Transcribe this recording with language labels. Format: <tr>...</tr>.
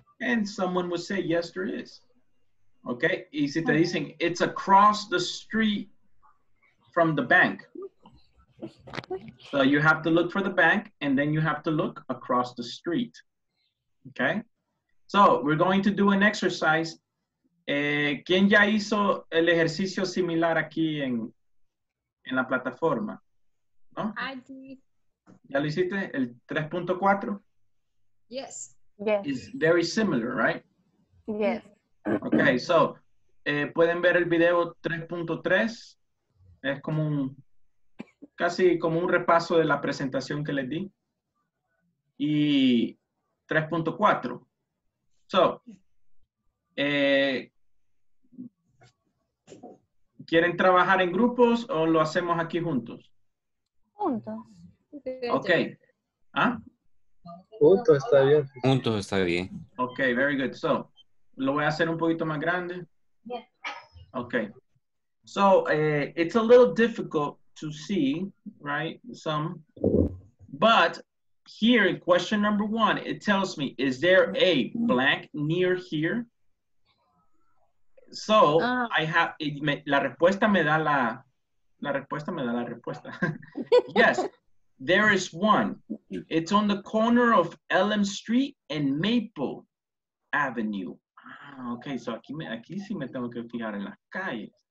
<en>And someone would say, yes, there is. Okay.</en> <es>Y si te dicen,</es> <en>it's across the street from the bank. So you have to look for the bank, and then you have to look across the street. Okay? So we're going to do an exercise.</en> <es>¿Quién ya hizo el ejercicio similar aquí en la plataforma?</es> <en>¿No? I did.</en> <es>¿Ya lo hiciste? ¿El 3.4?</es> <en>Yes. Yes. It's very similar, right? Yes.</en> <es>Okay, so pueden ver el video 3.3. Es como un, casi como un repaso de la presentación que les di. Y 3.4. So, ¿quieren trabajar en grupos o lo hacemos aquí juntos? Juntos.</es> <en>Ok. ¿Ah?</en> <es>Juntos está bien. Juntos está bien.</es> <en>Ok, very good.</en> <es>So, lo voy a hacer un poquito más grande.</es> <en>Yeah. Ok. So, it's a little difficult to see, right? Some. But here, question number one, it tells me, is there a blank near here?</en> <es>So, I have, la respuesta me da la, la respuesta me da la respuesta.</es> <en>Yes, there is one. It's on the corner of Elm Street and Maple Avenue.</en> <es>Ah, okay, so aquí sí me tengo que fijar en las calles.</es>